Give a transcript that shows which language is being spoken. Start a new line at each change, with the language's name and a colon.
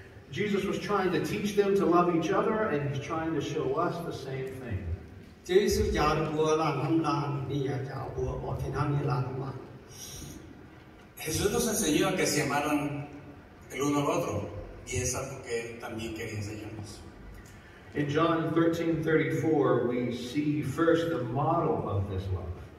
English: Jesus was trying to teach them to love each other, and he's trying to show us the same thing.
Spanish: Jesús nos enseñó a que se amaran el uno al otro, y es algo que también quería enseñarnos.
English: In John 13:34, we see first the model of this love.